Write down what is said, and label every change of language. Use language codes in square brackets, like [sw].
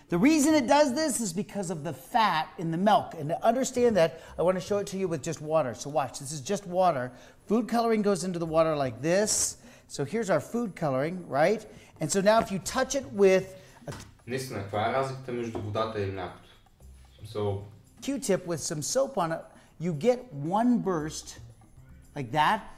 [en] The reason it does this is because of the fat in the milk. And to understand that, I want to show it to you with just water. So watch, this is just water. Food coloring goes into the water like this. So here's our food coloring, right? And so now if you touch it with... [bg] Наистина, това е разликата между водата и млякото. [en] So... Q-tip with some soap on it, you get one burst like that.